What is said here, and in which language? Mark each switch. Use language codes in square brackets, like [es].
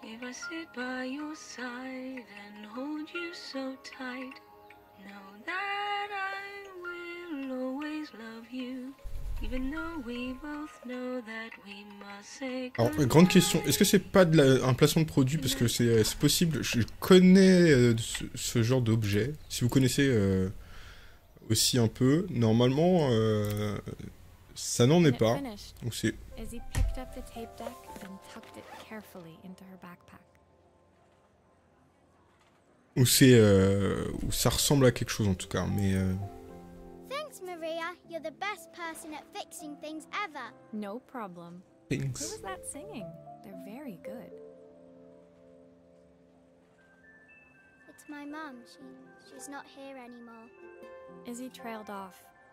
[en] Sit by your side and hold you so tight. Know that I will always love you, even though we both know that we must say goodbye. [fr] Alors, grande question, est-ce que c'est pas de un placement de produit, parce que c'est possible, je connais ce genre d'objet. Si vous connaissez aussi un peu, normalement ça n'en est pas. Donc c'est... [en] As he picked up the tape deck and tucked it carefully into her backpack. [fr] Ou c'est... ou ça ressemble à quelque chose en tout cas, mais... [en] Thanks, Maria. You're the best person at fixing things ever. No problem. Thanks. Who is that singing? They're very good. It's my mom. She's not here anymore. Izzy trailed off.